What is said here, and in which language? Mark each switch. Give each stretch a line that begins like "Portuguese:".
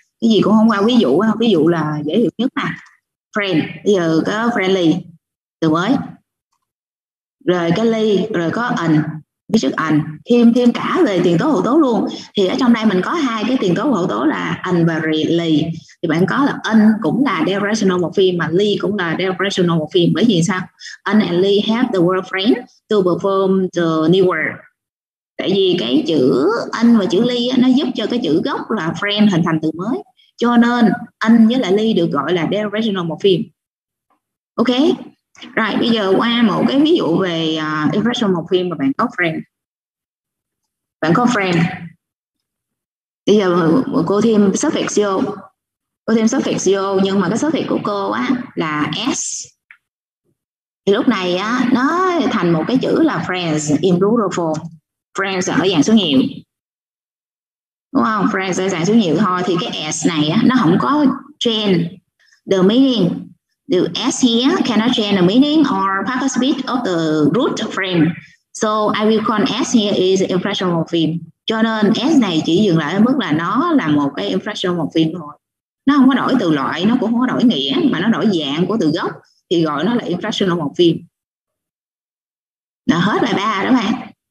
Vietnamese: Cái gì cũng không qua ví dụ, ví dụ là dễ hiểu nhất mà. Friend, bây giờ có friendly, từ mới. Rồi cái ly, rồi có an, cái trước an. Thêm cả về tiền tố hậu tố luôn. Thì ở trong đây mình có hai cái tiền tố hậu tố là an và ly. Thì bạn có là an cũng là derivational morpheme, mà ly cũng là derivational morpheme. Bởi vì sao?
English: An and ly have the word friend to perform the new word.
Vietnamese: Tại vì cái chữ anh và chữ ly nó giúp cho cái chữ gốc là friend hình thành từ mới. Cho nên anh với lại ly được gọi là derivational morpheme. Ok. Rồi bây giờ qua một cái ví dụ về derivational morpheme mà bạn có friend. Bạn có friend. Bây giờ cô thêm suffix vô. Cô thêm suffix vô nhưng mà cái suffix của cô á là s. Thì lúc này á nó thành một cái chữ là friends
English: in plural form.
Vietnamese: Friends ở dạng số nhiều. Đúng không? Friends ở dạng số nhiều thôi. Thì cái S này á, nó không có
English: change the meaning. The S here cannot change the meaning or participate of the root frame. So I will call S here is inflectional morpheme.
Vietnamese: Cho nên S này chỉ dừng lại ở mức là nó là một cái inflectional morpheme thôi. Nó không có đổi từ loại, nó cũng không có đổi nghĩa, mà nó đổi dạng của từ gốc. Thì gọi nó là inflectional morpheme. Đã hết bài 3 đó bạn.